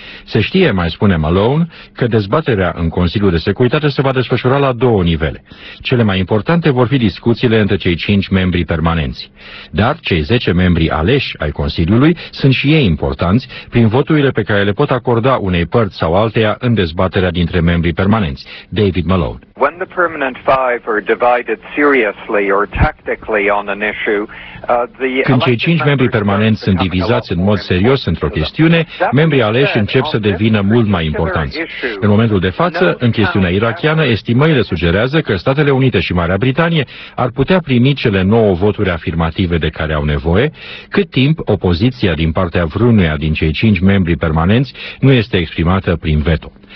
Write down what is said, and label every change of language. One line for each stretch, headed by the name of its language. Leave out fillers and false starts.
Romanian: Se știe, mai spune Malone, că dezbaterea în Consiliul de Securitate se va desfășura la două nivele. Cele mai importante vor fi discuțiile între cei 5 membri permanenți. Dar cei 10 membri aleși ai Consiliului sunt și ei importanți prin voturile pe care le pot acorda unei părți sau alteia în dezbaterea dintre membrii permanenți. David Malone.
English: When the permanent five are divided seriously or tactically on an issue,
Romanian: când cei 5 membri permanenți sunt divizați în mod serios într-o chestiune, membrii aleși încep să devină mult mai importanți. În momentul de față, în chestiunea irachiană, estimările sugerează că Statele Unite și Marea Britanie ar putea primi cele 9 voturi afirmative de care au nevoie, cât timp opoziția din partea vreunuia din cei 5 membri permanenți nu este exprimată prin veto.